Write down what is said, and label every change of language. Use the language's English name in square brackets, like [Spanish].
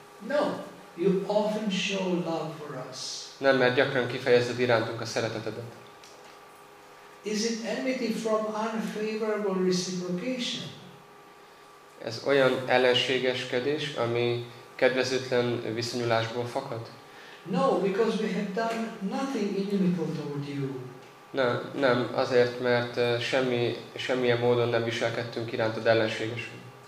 [English] No, you often show love for us. [Hungarian] Nem, mert gyakran kifejezed irántunk a szeretetedet. [English] Is it enmity from unfavorable reciprocation? [Hungarian] Ez olyan ellenségeskedés, ami kedvezőtlen viszonyulásból fakad? [English] No, because we have done nothing inimical toward you. [Hungarian] Nem, azért, mert semmilyen módon nem viselkedtünk irántad ellenségesen.